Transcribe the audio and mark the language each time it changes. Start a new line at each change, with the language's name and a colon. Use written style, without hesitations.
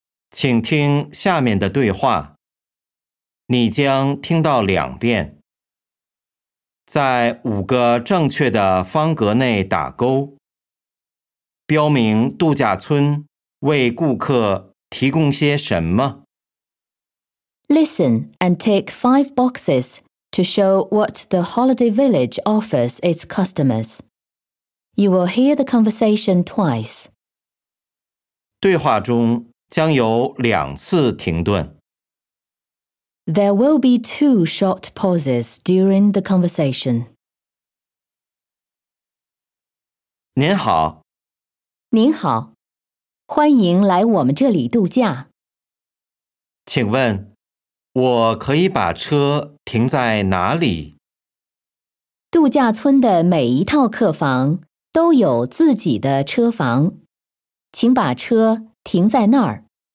Chinese: 请听下面的对话。你将听到两遍。在五个正确的方格内打勾，标明度假村为顾客提供些什么。
English: Listen and take 5 boxes to show what the holiday village offers its customers. You will hear the conversation twice.
Chinese: 对话中将有两次停顿。
English: There will be 2 short pauses during the conversation.
Chinese: 您好。您好，欢迎来我们这里度假。请问，我可以把车停在哪里？度假村的每一套客房都有自己的车房，请把车停在那儿。